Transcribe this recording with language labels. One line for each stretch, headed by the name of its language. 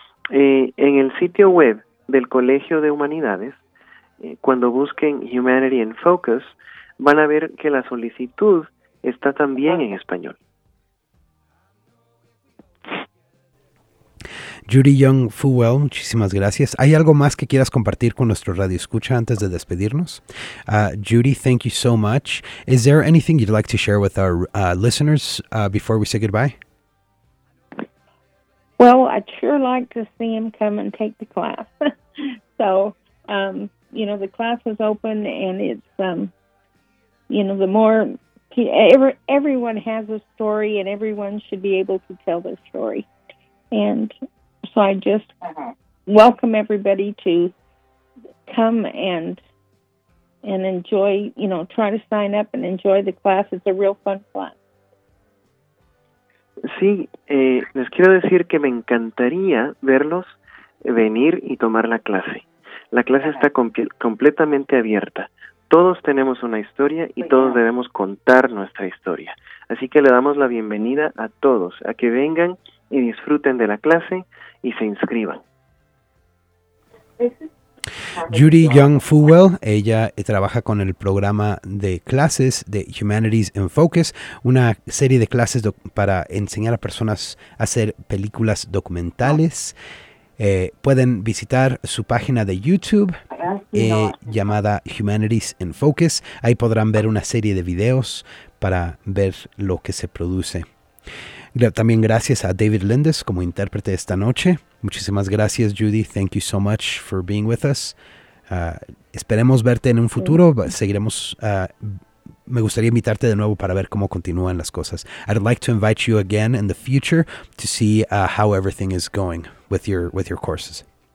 Spanish: En el sitio web del Colegio de Humanidades, cuando busquen Humanity in Focus, van a ver que la solicitud está también en español. Judy Young Fuwell, muchísimas gracias. ¿Hay algo más que quieras compartir con nuestro radio escucha antes de despedirnos?
English: Judy, thank you so much. Is there anything you'd like to share with our listeners before we say goodbye? Well, I'd sure like to see him come and take the class. So, you know, the class is open and it's, you know, the more everyone has a story and everyone should be able to tell their story. And so I just welcome everybody to come and enjoy, you know, try to sign up and enjoy the class. It's a real fun class.
Spanish: Sí, les quiero decir que me encantaría verlos venir y tomar la clase. La clase está completamente abierta. Todos tenemos una historia y todos debemos contar nuestra historia. Así que le damos la bienvenida a todos, a que vengan y disfruten de la clase y se inscriban. Judy Young Fuwell, ella trabaja con el programa de clases de Humanities in Focus, una serie de clases para enseñar a personas a hacer películas documentales. Pueden visitar su página de YouTube llamada Humanities in Focus. Ahí podrán ver una serie de videos para ver lo que se produce. También gracias a David Lindes como intérprete esta noche. Muchísimas gracias, Judy.
English: Thank you so much for being with us.
Spanish: Esperemos verte en un futuro. Seguiremos. Me gustaría invitarte de nuevo para ver cómo continúan las cosas.
English: I'd like to invite you again in the future to see how everything is going with your courses.